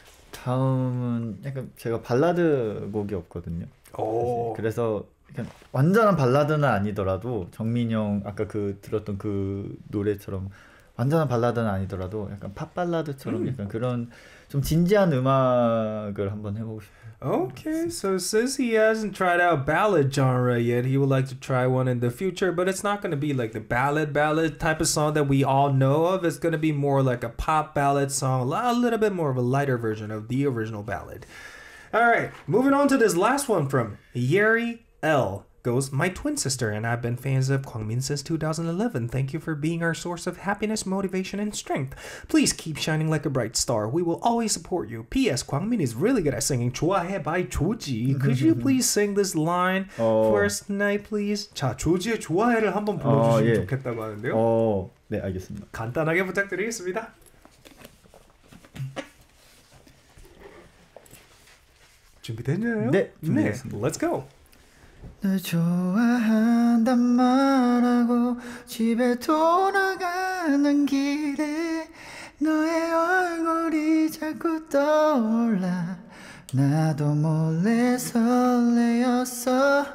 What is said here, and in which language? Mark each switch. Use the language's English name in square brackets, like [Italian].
[Korean] 다음은 약간 제가 발라드 곡이 없거든요. 오. 그래서 완전한 발라드는 아니더라도 정민이 형 아까 그 들었던 그 노래처럼 완전한 발라드는 아니더라도 약간 팝 발라드처럼 약간 그런 좀 진지한 음악을 한번 해보고 싶어요. [English] Okay, so since he hasn't tried out ballad genre yet, he would like to try one in the future, but it's not going to be like the ballad type of song that we all know of. It's going to be more like a pop ballad song, a little bit more of a lighter version of the original ballad. All right, moving on to this last one from Yeri. L goes, my twin sister and I've been fans of Kwangmin since 2011. Thank you for being our source of happiness, motivation, and strength. Please keep shining like a bright star. We will always support you. P.S. Kwangmin is really good at singing 좋아해 by 조지. Could you please sing this line first night, please? [Korean] 자, 조지의 좋아해를 한번 불러주시면 예. 좋겠다고 하는데요. 네, 알겠습니다. 간단하게 부탁드리겠습니다. 준비됐냐요? 네, 준비됐습니다. [English] 네, let's go. [Korean] 널 좋아한단 말하고 집에 돌아가는 길에 너의 얼굴이 자꾸 떠올라 나도 몰래 설레였어.